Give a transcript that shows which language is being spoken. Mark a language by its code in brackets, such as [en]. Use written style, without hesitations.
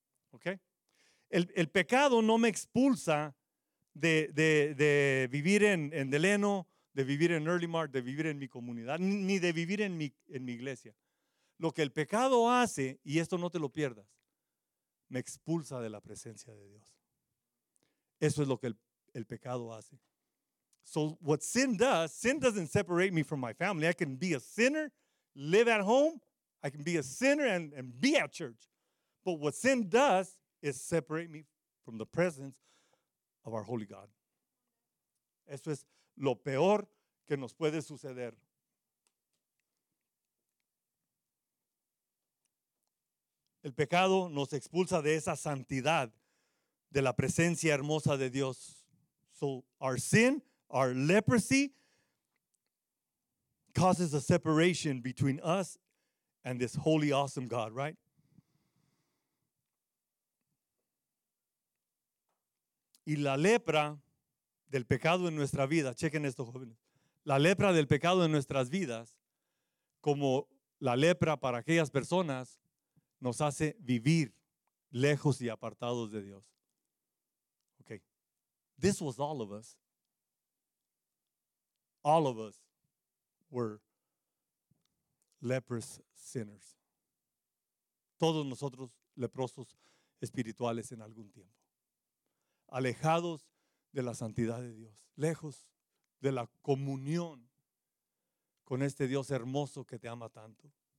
[es] Okay, el pecado no me expulsa de vivir en Deleno, de vivir en Early Mark, de vivir en mi comunidad, ni de vivir en mi iglesia. Lo que el pecado hace, y esto no te lo pierdas, me expulsa de la presencia de Dios. Eso es lo que el pecado hace. [en] So what sin does, sin doesn't separate me from my family. I can be a sinner, live at home. I can be a sinner and be at church. But what sin does is separate me from the presence of our holy God. [es] Eso es lo peor que nos puede suceder. El pecado nos expulsa de esa santidad, de la presencia hermosa de Dios. [en] So our sin, our leprosy, causes a separation between us and this holy, awesome God, right? [es] Y la lepra del pecado en nuestra vida, chequen esto, jóvenes. La lepra del pecado en nuestras vidas, como la lepra para aquellas personas, nos hace vivir lejos y apartados de Dios. [en] Okay. This was all of us. All of us were leprous sinners. [es] todos nosotros leprosos espirituales en algún tiempo. Alejados de la santidad de Dios, lejos de la comunión con este Dios hermoso que te ama tanto.